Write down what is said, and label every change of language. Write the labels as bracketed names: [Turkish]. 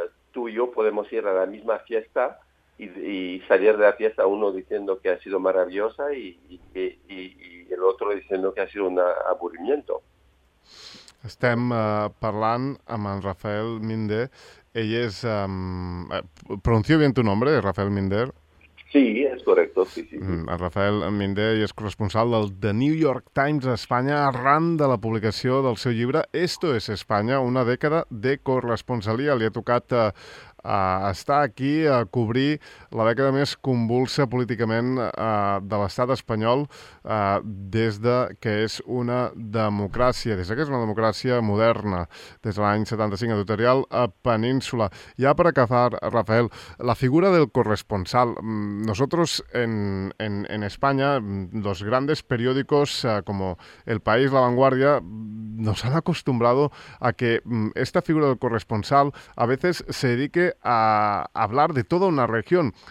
[Spanish] Tú y yo podemos ir a la misma fiesta y salir de la fiesta uno diciendo que ha sido maravillosa y y el otro diciendo que ha sido un aburrimiento. [Catalan] Estem parlant amb en Rafael Minder. Ell és... [Spanish] pronuncio bien tu nombre, Rafael Minder? [Catalan] Sí, és correcte, sí, sí. En Rafael Minder és corresponsal del The New York Times a Espanya arran de la publicació del seu llibre Esto es España, una dècada de corresponsalia. Li ha tocat estar aquí a cobrir la dècada més convulsa políticament de l'estat espanyol des de que és una democràcia, des de que és una democràcia moderna, des de l'any 75 editorial a Península. Ja per acabar, Rafael, la figura del corresponsal. [Spanish] Nosotros en España, los grandes periódicos como El País, La Vanguardia, nos han acostumbrado a que esta figura del corresponsal a veces se dedique a hablar de toda una región.